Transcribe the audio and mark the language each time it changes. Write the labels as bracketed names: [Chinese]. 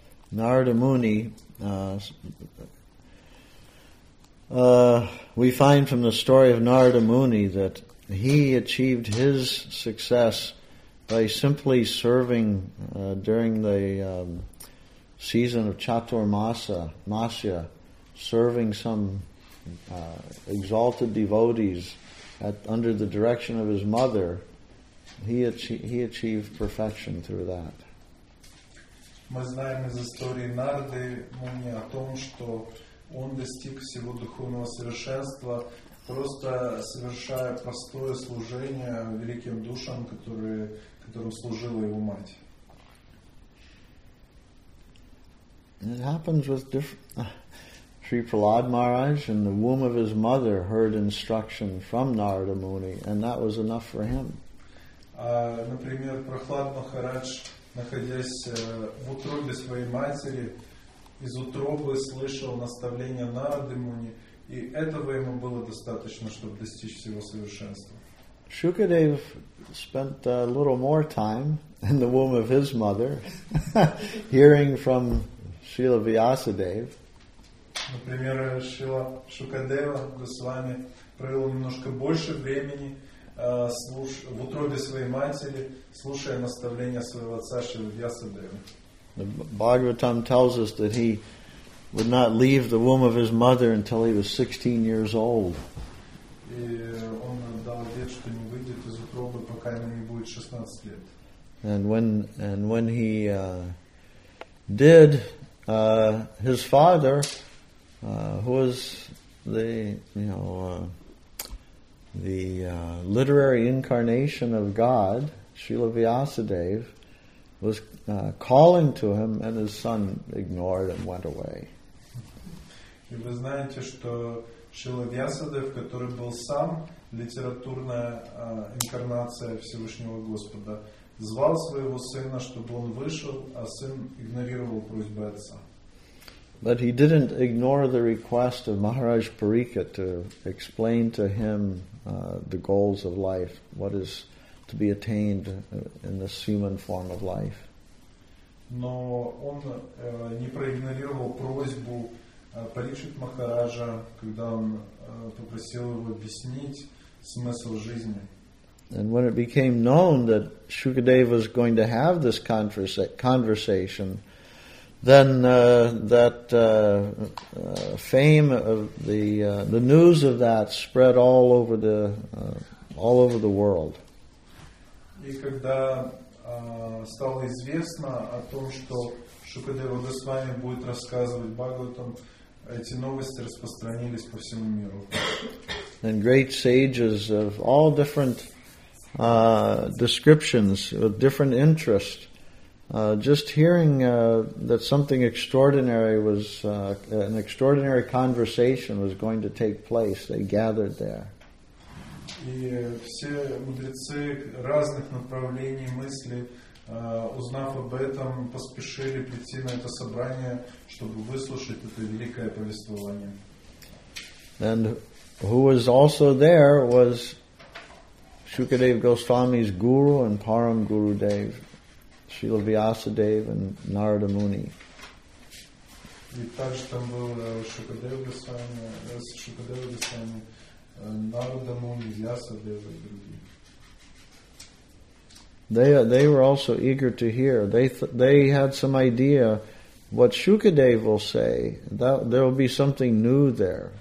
[English] Narada Muni, we find from the story of Narada Muni that he achieved his success by simply serving during the season of Chaturmasya, serving some exalted devotees under the direction of his mother. He achieved perfection through that. [Russian] Мы знаем из истории Нарды Муни о том, что он достиг всего духовного совершенства, просто совершая простое служение великим душам, которым служила его мать. [English] It happens with Sri Prahlad Maharaj, in the womb of his mother, heard instruction from Narada Muni, and that was enough for him. [Russian] Например, Прохлад Махарадж, находясь в утробе своей матери, из утробы слышал наставления Нарады Муни, и этого ему было достаточно, чтобы достичь всего совершенства. [English] Shukadev spent a little more time in the womb of his mother, hearing from Srila Vyasadeva. [Russian] Например, Шрила Шукадева Госвами провел немножко больше времени в утробе своей матери, слушая наставления своего отца Шрила Вьясадева. [English] Bhagavatam tells us that he would not leave the womb of his mother until he was 16 years old. [Russian] И он дал обет, что не выйдет из утробы, пока ему не будет 16 лет. [English] And when he did, his father, who was the literary incarnation of God, Srila Vyasadeva, was calling to him, and his son ignored and went away. [Russian] И вы знаете, что Шрила Вьясадева, который был сам литературная инкарнация Всевышнего Господа, звал своего сына, чтобы он вышел, а сын игнорировал просьбу отца. [English] But he didn't ignore the request of Maharaj Parikshit to explain to him the goals of life, what is to be attained in this human form of life. [Russian] Но он не проигнорировал просьбу Парикшит Махараджа, когда он попросил его объяснить смысл жизни. [English] And when it became known that Shukadeva was going to have this conversation, then fame of the news of that spread all over the world. [Russian] И когда стало известно о том, что Шукадева Госвами будет рассказывать Бхагаватам, эти новости распространились по всему миру. [English] And great sages of all different descriptions, with different interests, just hearing that something extraordinary was an extraordinary conversation was going to take place, they gathered there. [Russian] И все мудрецы разных направлений мысли, узнав об этом, поспешили прийти на это собрание, чтобы выслушать это великое повествование. [English] And who was also there was Shukadev Goswami's guru and Param Guru Dev, Srila Vyasadeva and Narada Muni. [Russian] И также там был Шукадев Госвами, Шукадев Госвами, Нарада Муни, Вьясадева и другие. [English] They were also eager to hear. They had some idea what Shukadeva will say. That there will be something new there.